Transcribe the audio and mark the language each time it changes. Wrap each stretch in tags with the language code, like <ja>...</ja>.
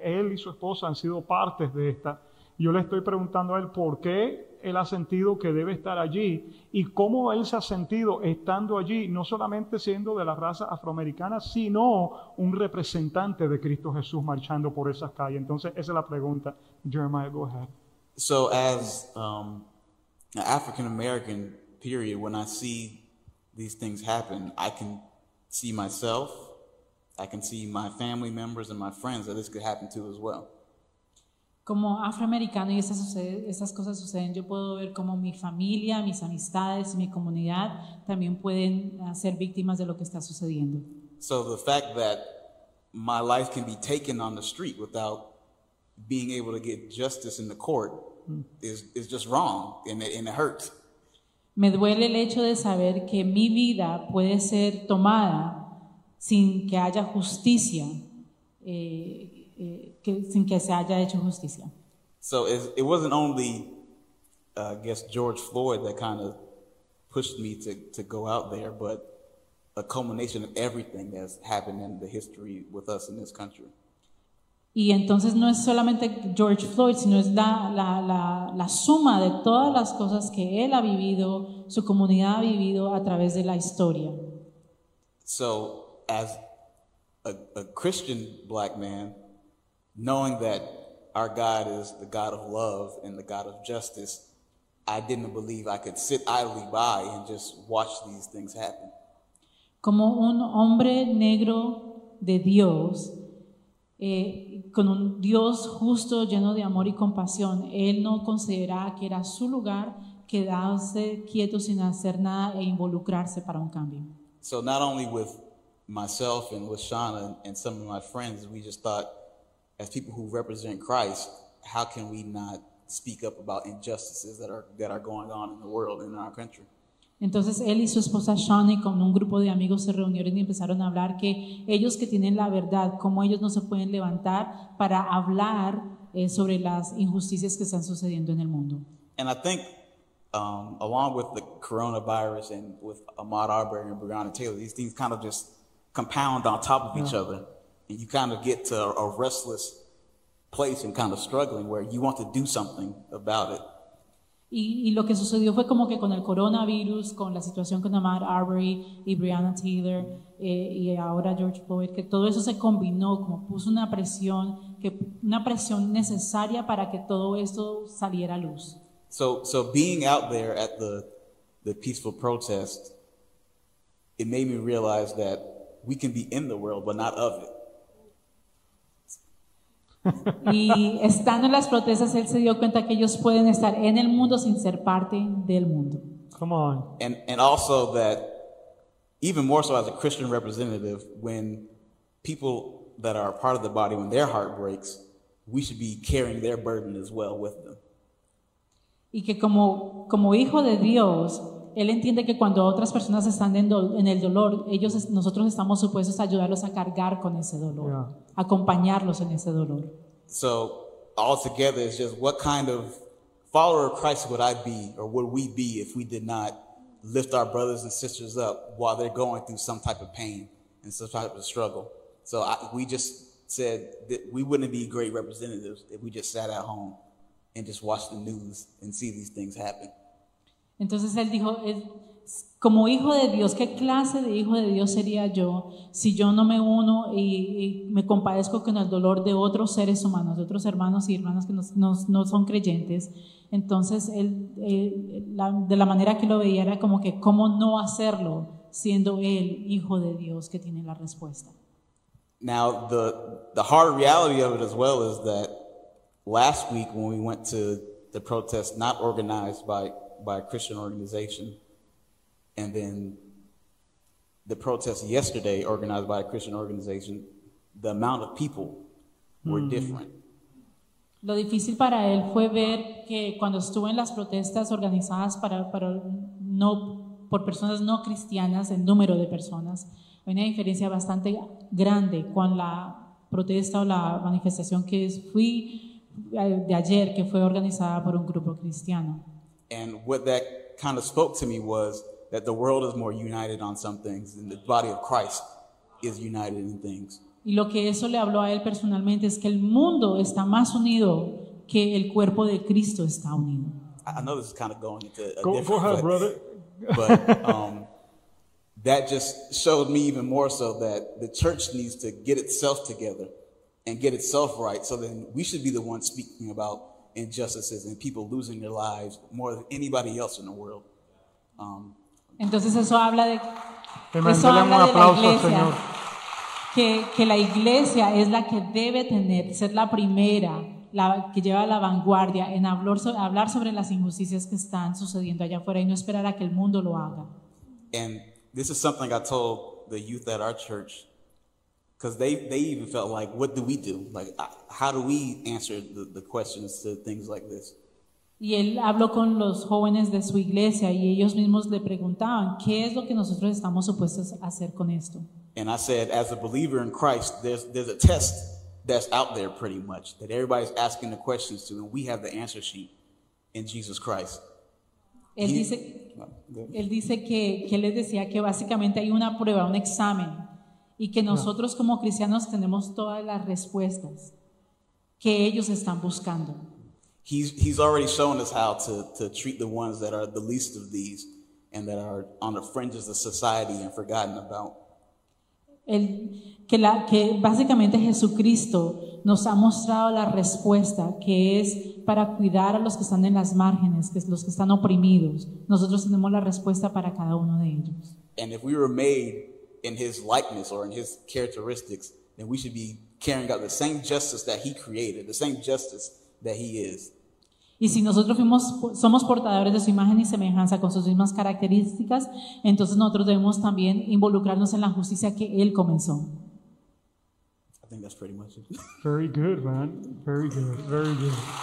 <es>Él y su esposa han sido partes de esta. Yo le estoy preguntando a él por qué él ha sentido que debe estar allí y cómo él se ha sentido estando allí, no solamente siendo de la raza afroamericana, sino un representante de Cristo Jesús marchando por esas calles. Entonces, esa es la pregunta. Jeremiah,</es> <en>go ahead. So, as an African-American, period, when I see these things happen, I can see myself, I can see my family members and my friends that this could happen to as well.</en> <es>Como afroamericano y esas cosas suceden, yo puedo ver cómo mi familia, mis amistades, mi comunidad también pueden ser víctimas de lo que está sucediendo.</es> <en>So the fact that my life can be taken on the street without being able to get justice in the court is just wrong and it hurts.</en> <es>Me duele el hecho de saber que mi vida puede ser tomada sin que haya justicia. Sin que se haya hecho justicia.</es> <en>So it wasn't only, I guess, George Floyd that kind of pushed me to go out there, but a culmination of everything that's happened in the history with us in this country.</en> <es>Y entonces no es solamente George Floyd, sino es la suma de todas las cosas que él ha vivido, su comunidad ha vivido a través de la historia.</es> <en>So as a Christian black man, knowing that our God is the God of love and the God of justice, I didn't believe I could sit idly by and just watch these things happen.</en> <es>Como un hombre negro de Dios, con un Dios justo, lleno de amor y compasión, él no consideraba que era su lugar quedarse quieto sin hacer nada e involucrarse para un cambio.</es> <en>So not only with myself and with Shauna and some of my friends, we just thought, as people who represent Christ, how can we not speak up about injustices that are going on in the world and in our country?</en> <es>Entonces él y su esposa Shauna con un grupo de amigos se reunieron y empezaron a hablar que ellos que tienen la verdad, cómo ellos no se pueden levantar para hablar sobre las injusticias que están sucediendo en el mundo.</es> <en>And I think along with the coronavirus and with Ahmaud Arbery and Breonna Taylor, these things kind of just compound on top of each other. And you kind of get to a restless place and kind of struggling where you want to do something about it.</en> <es>Y lo que sucedió fue como que con el coronavirus, con la situación con Ahmaud Arbery y Breonna Taylor y ahora George Floyd, que todo eso se combinó, como puso una presión necesaria para que todo esto saliera a luz.</es> <en>So being out there at the peaceful protest, it made me realize that we can be in the world, but not of it.</en> <es>Y estando en las protestas, él se dio cuenta que ellos pueden estar en el mundo sin ser parte del mundo.</es> <en>Come on. And also that, even more so as a Christian representative, when people that are a part of the body, when their heart breaks, we should be carrying their burden as well with them.</en> <es>Y que como hijo de Dios, él entiende que cuando otras personas están en el dolor, nosotros estamos supuestos a ayudarlos a cargar con ese dolor, yeah, acompañarlos en ese dolor.</es> <en>So all together is just, what kind of follower of Christ would I be, or would we be, if we did not lift our brothers and sisters up while they're going through some type of pain and some type of struggle? So we just said that we wouldn't be great representatives if we just sat at home and just watch the news and see these things happen.</en> <es>Entonces él dijo, como hijo de Dios, ¿qué clase de hijo de Dios sería yo si yo no me uno y me compadezco con el dolor de otros seres humanos, de otros hermanos y hermanas que no son creyentes? Entonces él, de la manera que lo veía, era como que, ¿cómo no hacerlo siendo él hijo de Dios que tiene la respuesta?</es> <en>Now the hard reality of it as well is that last week when we went to the protest not organized by a Christian organization, and then the protest yesterday organized by a Christian organization, the amount of people were different.</en> <es>Lo difícil para él fue ver que cuando estuvo en las protestas organizadas para no por personas no cristianas, el número de personas, hay una diferencia bastante grande con la protesta o la manifestación que fui de ayer, que fue organizada por un grupo cristiano.</es> <en>And what that kind of spoke to me was that the world is more united on some things and the body of Christ is united in things.</en> <es>Y lo que eso le habló a él personalmente es que el mundo está más unido que el cuerpo de Cristo está unido.</es> <en>I know this is kind of going into a go, different... Go ahead, brother. But that just showed me even more so that the church needs to get itself together and get itself right, so then we should be the ones speaking about injustices and people losing their lives more than anybody else in the world.</en> <es>Entonces eso habla de eso habla de la iglesia, que la iglesia es la que debe tener, ser la primera, la que lleva la vanguardia en hablar sobre las injusticias que están sucediendo allá afuera y no esperar a que el mundo lo haga.</es> <en>And this is something I told the youth at our church, because they even felt like, what do we do? Like, how do we answer the questions to things like this?</en> <es>Y él habló con los jóvenes de su iglesia y ellos mismos le preguntaban, ¿qué es lo que nosotros estamos supuestos a hacer con esto?</es> <en>And I said, as a believer in Christ, there's a test that's out there pretty much that everybody's asking the questions to, and we have the answer sheet in Jesus Christ.</en> <es>Él dice que les decía que básicamente hay una prueba, un examen, y que nosotros como cristianos tenemos todas las respuestas que ellos están buscando.</es> <en>He's already shown us how to treat the ones that are the least of these and that are on the fringes of society and forgotten about.</en> <es>Que básicamente Jesucristo nos ha mostrado la respuesta, que es para cuidar a los que están en las márgenes, que es los que están oprimidos. Nosotros tenemos la respuesta para cada uno de ellos.</es> <en>And if we were made in his likeness or in his characteristics, then we should be carrying out the same justice that he created, the same justice that he is.</en> <es>Y si nosotros fuimos, somos portadores de su imagen y semejanza con sus mismas características, entonces nosotros debemos también involucrarnos en la justicia que él comenzó.</es> <en>I think that's pretty much it. Very good, man. Very good. Very good.</en>